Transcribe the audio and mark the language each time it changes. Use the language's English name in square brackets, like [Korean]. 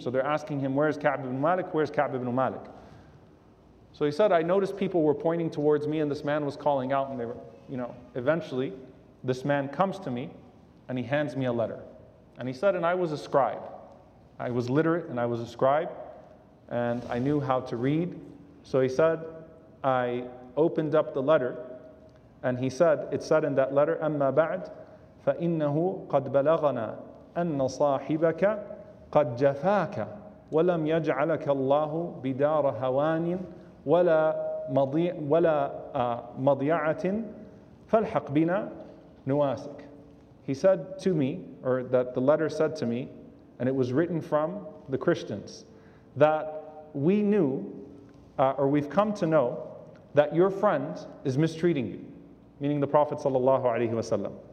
[English] So they're asking him, where is Ka'b ibn Malik? Where is Ka'b ibn Malik? So he said, I noticed people were pointing towards me and this man was calling out, and they were, you know, eventually this man comes to me and he hands me a letter. And he said, and I was a scribe. I was literate and I was a scribe and I knew how to read. So he said, I opened up the letter, and he said, [Arabic] it said in that letter, أَمَّا بَعْدْ فَإِنَّهُ قَدْ بَلَغَنَا أَنَّ صَاحِبَكَ قَدْ جَفَاكَ وَلَمْ يَجْعَلَكَ اللَّهُ بِدَارَ هَوَانٍ وَلَا مَضْيَعَةٍ فَالْحَقْ بِنَا نُوَاسِكَ. [English] He said to me, or that the letter said to me, and it was written from the Christians, that we knew, or we've come to know, that your friend is mistreating you, meaning the Prophet sallallahu alaihi wasallam.